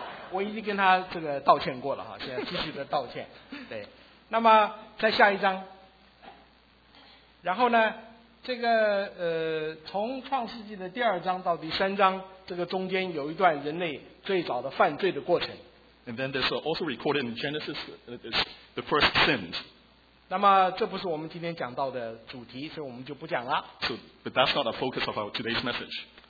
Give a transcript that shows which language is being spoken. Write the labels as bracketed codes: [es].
[zh] 我已经跟他这个道歉过了哈，现在继续的道歉。对，那么在下一章，然后呢，这个从创世纪的第二章到第三章，这个中间有一段人类最早的犯罪的过程。 [en] And then there's also recorded in Genesis the first sins. [zh] 那么这不是我们今天讲到的主题，所以我们就不讲了。 [en] So, but that's not the focus of our today's message.